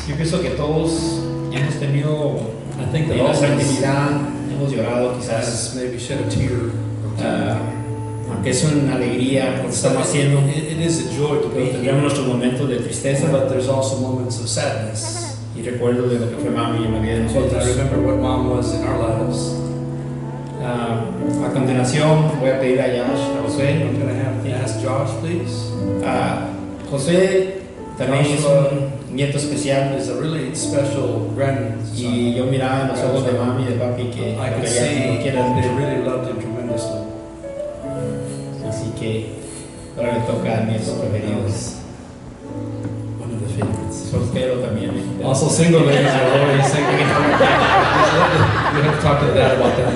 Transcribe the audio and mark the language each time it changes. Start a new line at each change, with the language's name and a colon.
Spanish: Yo pienso que todos hemos tenido una santidad, hemos llorado quizás,
English: maybe shed a tear,
Spanish: aunque es una alegría lo que estamos haciendo.
English: It is a joy to be here.
Spanish: Tendríamos nuestro momento de tristeza,
English: but there's also moments of sadness.
Spanish: Y recuerdo de lo que fue mami y en la vida de nosotros.
English: I remember what mom was in our lives.
Spanish: A continuación voy a pedir a Josh, a José.
English: I'm going to have to ask Josh, please.
Spanish: José también es un nieto especial,
English: is a really special grandson.
Spanish: Y yo miraba en los ojos de mami y de papi que
English: they really loved him tremendously.
Spanish: Así que ahora le toca a nietos preferidos.
English: One of the favorites.
Spanish: Soltero también.
English: Also single ladies are always single. We have to talk to dad about that.